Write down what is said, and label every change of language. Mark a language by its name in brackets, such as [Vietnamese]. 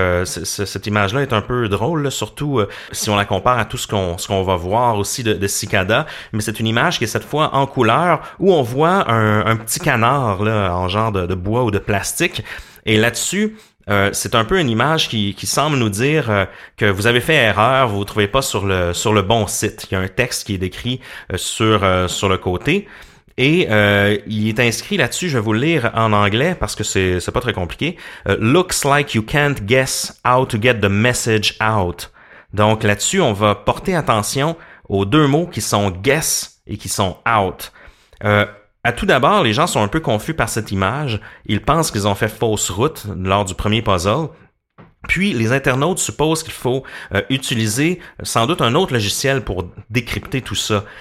[French] cette image-là est un peu drôle, là, surtout si on la compare à tout ce qu'on va voir aussi de Cicada, mais c'est une image qui est cette fois en couleur où on voit un petit canard là, en genre de bois ou de plastique, et là-dessus... c'est un peu une image qui semble nous dire que vous avez fait erreur, vous vous trouvez pas sur le bon site. Il y a un texte qui est décrit sur le côté et il est inscrit là-dessus. Je vais vous le lire en anglais parce que c'est pas très compliqué. [English] Looks like you can't guess how to get the message out. [French] Donc là-dessus, on va porter attention aux deux mots qui sont guess et qui sont out. À tout d'abord, les gens sont un peu confus par cette image. Ils pensent qu'ils ont fait fausse route lors du premier puzzle. Puis, les internautes supposent qu'il faut utiliser sans doute un autre logiciel pour décrypter tout ça.